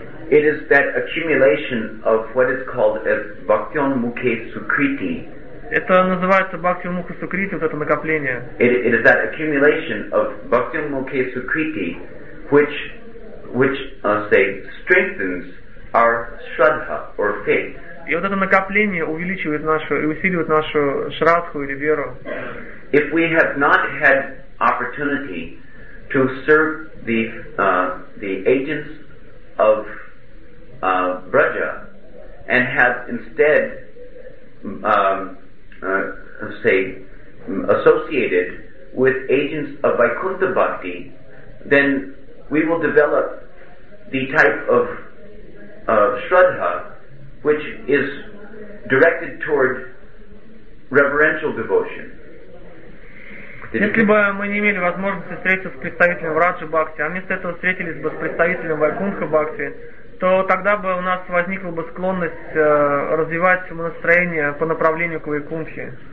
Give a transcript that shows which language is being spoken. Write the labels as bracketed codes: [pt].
[en] It is that accumulation of what is called as bhaktyon mukhe sukriti. [ru] Это называется bhaktyon mukhe sukriti, вот это накопление. [en] It is that accumulation of bhaktyon mukhe sukriti which strengthens our shraddha or faith. [ru] И вот это накопление увеличивает нашу и усиливает нашу шрадху или веру. [en] If we have not had opportunity to serve the agents of Braja and have instead associated with agents of Vaikuntha Bhakti, then we will develop the type of Shraddha which is directed toward reverential devotion. [ru] Если бы мы не имели возможности встретиться с представителем Раджа Бхакти, а вместо этого встретились бы с представителем Вайкунха Бхакти, то тогда бы у нас возникла бы склонность развивать настроение по направлению к Вайкунхе.